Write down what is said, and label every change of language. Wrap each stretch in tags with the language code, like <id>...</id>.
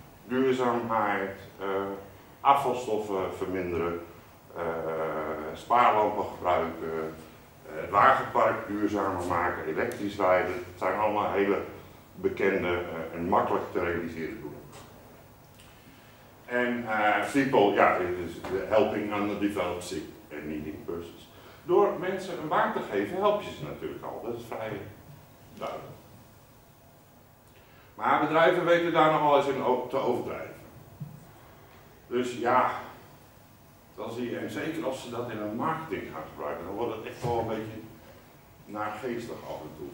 <nl>Duurzaamheid, afvalstoffen verminderen, spaarlampen gebruiken, het wagenpark duurzamer maken, elektrisch rijden. Het zijn allemaal hele bekende en makkelijk te realiseren doelen.</nl> <en>En people,</en> <nl>ja, dit is</nl> <en>helping on the developing and needing persons.</en> <nl>Door mensen een baan te geven, help je ze natuurlijk al. Dat is vrij duidelijk. Maar bedrijven weten daar nogal eens in te overdrijven. Dus ja, dan zie je, en zeker als ze dat in een marketing gaan gebruiken, dan wordt het echt wel een beetje naargeestig af en toe.</nl>